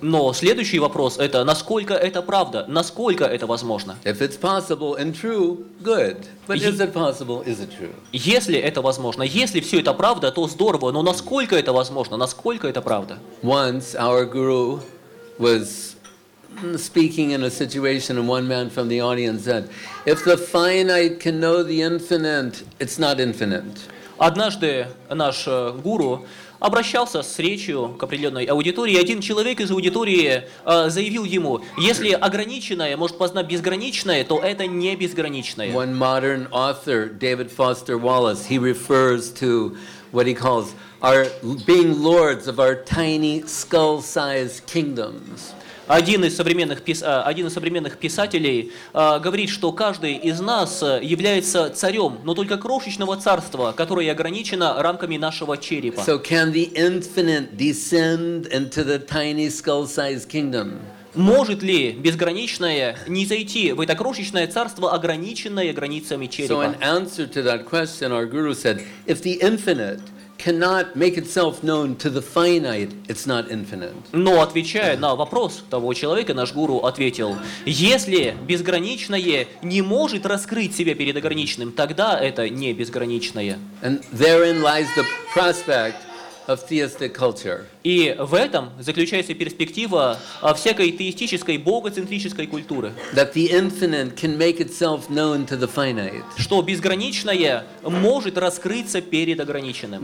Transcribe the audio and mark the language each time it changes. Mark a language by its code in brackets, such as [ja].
[ru] Но следующий вопрос – это насколько это правда, насколько это возможно. [en] If it's possible and true, good. But is it possible? Is it true? [ru] Если это возможно, если все это правда, то здорово. Но насколько это возможно, насколько это правда? [en] Once our guru was speaking in a situation, and one man from the audience said, "If the finite can know the infinite, it's not infinite." [ru] Однажды наш гуру обращался с речью к определенной аудитории. Один человек из аудитории заявил ему, если ограниченное может познать безграничное, то это не безграничное. [en] One modern author, David Foster Wallace, he refers to what he calls our being lords of our tiny skull-sized kingdoms. [ru] Один из современных писателей говорит, что каждый из нас является царем, но только крошечного царства, которое ограничено рамками нашего черепа. [en] So can the infinite descend into the tiny skull-sized kingdom? [ru] Может ли безграничное не зайти в это крошечное царство, ограниченное границами черепа? [en] So in answer to that question, our guru said, if the infinite cannot make itself known to the finite, it's not infinite. [ru] Но отвечая на вопрос того человека, наш гуру ответил: если безграничное не может раскрыть себя перед ограниченным, тогда это не безграничное. [en] And therein lies the prospect of theistic culture. [ru] И в этом заключается перспектива всякой теистической, богоцентрической культуры. [en] That the infinite can make itself known to the finite. [ru] Что безграничное может раскрыться перед ограниченным.